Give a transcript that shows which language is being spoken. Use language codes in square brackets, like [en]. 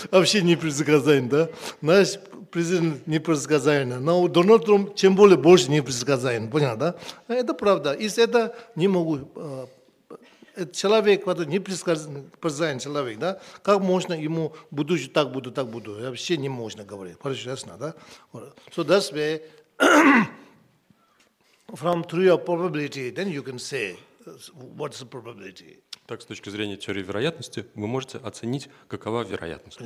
[ru] Вообще не предсказаем, да? Наш президент не предсказаем. Но Дональд Трамп тем более больше не предсказаем, понял, да? Это правда. Если это не могу... Человек, который не предсказуем человек, да? Как можно ему будущее так буду, вообще не можно говорить. Хорошо, ясно, да? [en] So that's where from theory of probability, then you can say what's the probability. [ru] Так, с точки зрения теории вероятности, вы можете оценить, какова вероятность.